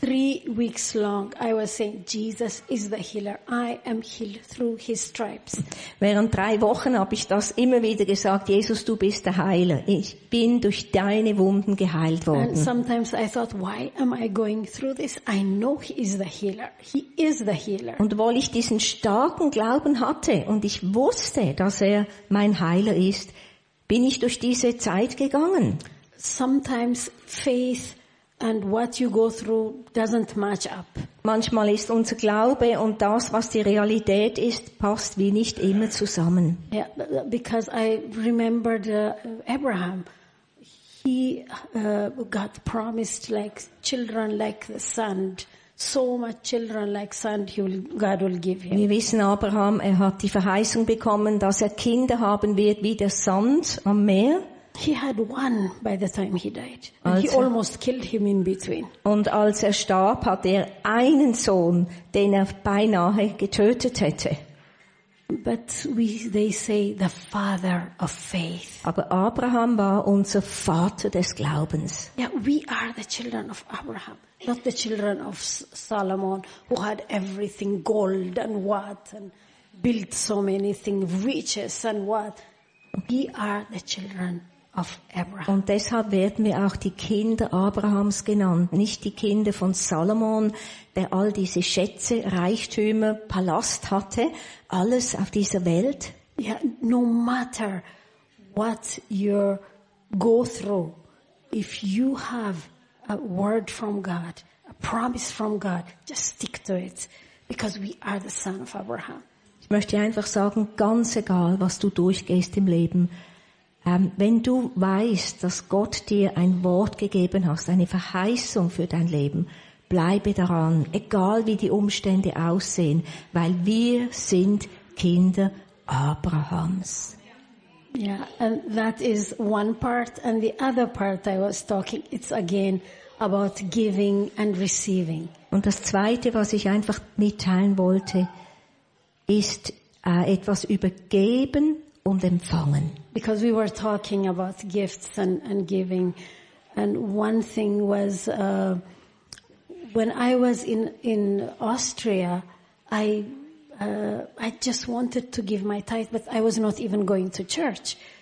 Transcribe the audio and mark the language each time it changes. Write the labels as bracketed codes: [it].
[en] 3 weeks long, I was saying, Jesus is the healer. I am healed through his stripes. [de] Während 3 Wochen habe ich das immer wieder gesagt, Jesus, du bist der Heiler. Ich bin durch deine Wunden geheilt worden. [en] And sometimes I thought, why am I going through this? I know he is the healer. He is the healer. [de] Und weil ich diesen starken Glauben hatte und ich wusste, dass er mein Heiler ist, bin ich durch diese Zeit gegangen. [en] Sometimes faith and what you go through doesn't match up. [de] Manchmal ist unser Glaube und das, was die Realität ist, passt wie nicht immer zusammen. [en] Yeah, because I remembered Abraham. He got promised like children like the sand, so much children like sand God will give him. [de] Wir wissen, Abraham, er hat die Verheißung bekommen, dass er Kinder haben wird wie der Sand am Meer. [en] He had one by the time he died. And he almost killed him in between. [de] Und als er starb, hatte er einen Sohn, den er beinahe getötet hätte. [en] But they say the father of faith. [de] Aber Abraham war unser Vater des Glaubens. [en] Yeah, we are the children of Abraham, not the children of Solomon, who had everything, gold and what, and built so many things, riches and what. We are the children of Abraham. [de] Und deshalb werden wir auch die Kinder Abrahams genannt, nicht die Kinder von Salomon, der all diese Schätze, Reichtümer, Palast hatte, alles auf dieser Welt. [en] Yeah, no matter what you go through, if you have a word from God, a promise from God, just stick to it, because we are the son of Abraham. [de] Ich möchte einfach sagen, ganz egal, was du durchgehst im Leben, wenn du weißt, dass Gott dir ein Wort gegeben hast, eine Verheißung für dein Leben, bleibe daran, egal wie die Umstände aussehen, weil wir sind Kinder Abrahams. [en] Yeah, and that is one part. And the other part I was talking, it's again about giving and receiving. [de] Und das Zweite, was ich einfach mitteilen wollte, ist etwas über Geben und Empfangen. [en] Because we were talking about gifts and giving, and one thing was when I was in Austria, I just wanted to give my tithe, but I was not even going to church.